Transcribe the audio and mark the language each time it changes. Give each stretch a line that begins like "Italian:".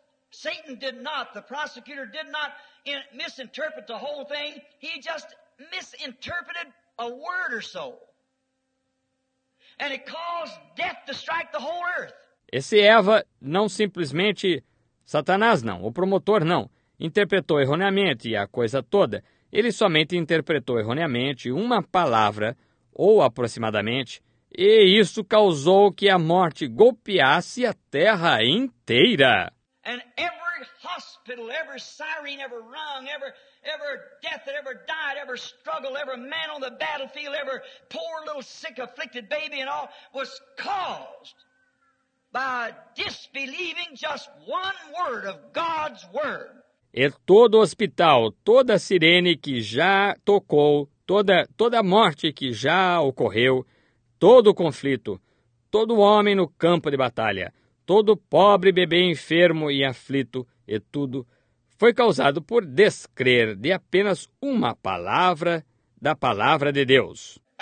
English: Satan did not, the prosecutor did not misinterpret the whole thing. He just misinterpreted a word or so. And it caused death to strike the whole earth.
Portuguese: Esse Eva não simplesmente, Satanás não, o promotor não, interpretou erroneamente a coisa toda. Ele somente interpretou erroneamente uma palavra, ou aproximadamente, e isso causou que a morte golpeasse a terra inteira.
English: And every hospital, every siren, every rung, every death that ever died, every struggle, every man on the battlefield, every poor little sick afflicted baby and all was caused by disbelieving just one word of God's word.
Portuguese: E todo hospital, toda sirene que já tocou, toda morte que já ocorreu, todo conflito, todo homem no campo de batalha, todo pobre bebê enfermo e aflito e tudo foi causado por descrer de apenas uma palavra da palavra de Deus.